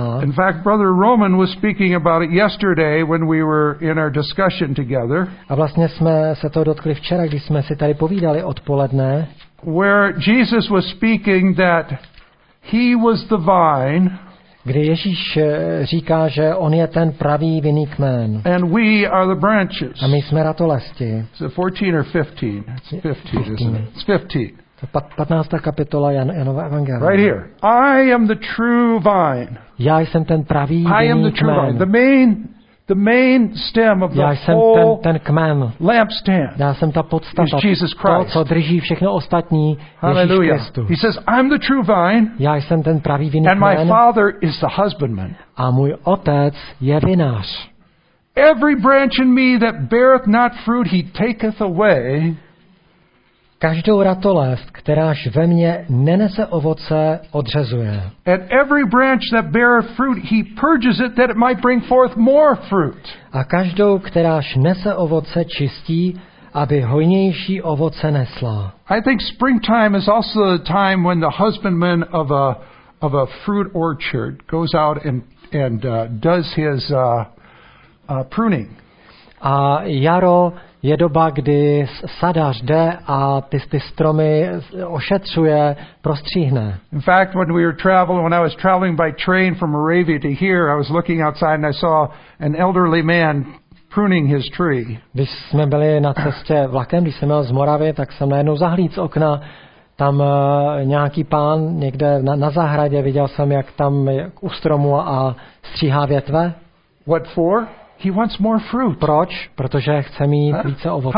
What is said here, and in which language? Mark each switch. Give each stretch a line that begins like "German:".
English: In fact, brother Roman was speaking about it yesterday when we were in our discussion together.
Czech: A vlastně jsme se to dotkli včera, když jsme si tady povídali odpoledne.
English: Where Jesus was speaking that he was the vine.
Czech: Kde Ježíš říká, že on je ten pravý vinný kmen.
English: And we are the branches.
Czech: A my jsme ratolesti.
English: Is it 14 or 15? It's 15, isn't it? It's 15.
Czech: 15. kapitola Janova evangelia.
English: Right here. I am the true vine.
Czech: Já jsem ten pravý vinný kmen.
English: I am the true vine. The main The main stem of the
Czech: ten kmen,
English: lampstand.
Czech: Já jsem ta podstata, Jesus Christ. To, co drží všechno ostatní,
English: Hallelujah.
Czech: Ježíš Kristus.
English: He says, I'm the true vine.
Czech: Já jsem ten pravý vinný kmen.
English: And my Father is the husbandman.
Czech: A můj otec je vinař.
English: Every branch in me that beareth not fruit, he taketh away.
Czech: Každou ratolest, kteráž ve mně nenese ovoce, odřezuje.
English: And every branch that beareth fruit, he purges it, that it might bring forth more fruit.
Czech: A každou, kteráž nese ovoce, čistí, aby hojnější ovoce nesla.
English: I think springtime is also the time when the husbandman of a fruit orchard goes out and does his pruning.
Czech: A jaro je doba, kdy sadař jde a ty stromy ošetřuje, prostříhne.
English: In fact, when we were traveling, when I was traveling by train from Moravia to here, I was looking outside and I saw an elderly man pruning his tree.
Czech: Když jsme byli na cestě vlakem, když jsem jel z Moravy, tak jsem najednou zahlíd z okna. Tam nějaký pán někde na zahradě, viděl jsem, jak tam u stromu a stříhá větve.
English: What for? He wants more fruit.
Czech: Proč? Protože chce mít více ovoce.